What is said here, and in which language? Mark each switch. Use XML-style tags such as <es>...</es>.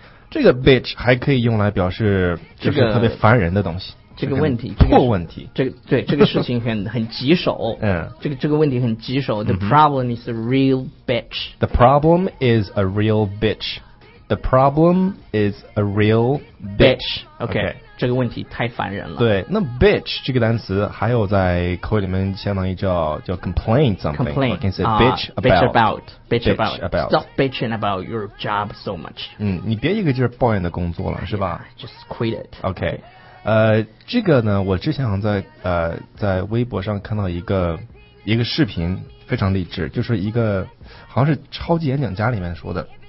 <zh>这个 bitch 还可以用来表示就是特别烦人的东西，这个问题破问题，对这个事情很棘手，这个问题很棘手</zh> <en>the problem is a real bitch the problem is a real bitch The problem is a real bitch.</en> <zh>Okay, 这个问题太烦人了。对，那 bitch 这个单词还有在口语里面相当于叫</zh> <en>complain something. Complain. You can say bitch about. Bitch about. Bitch about. About. Stop bitching about your job so much.</en> <zh>你别一个劲儿抱怨的工作了，是吧？</zh> <en>Just quit it. Okay.</en> <zh>这个呢，我之前在微博上看到一个视频，非常励志，就是一个好像是超级演讲家里面说的。</zh>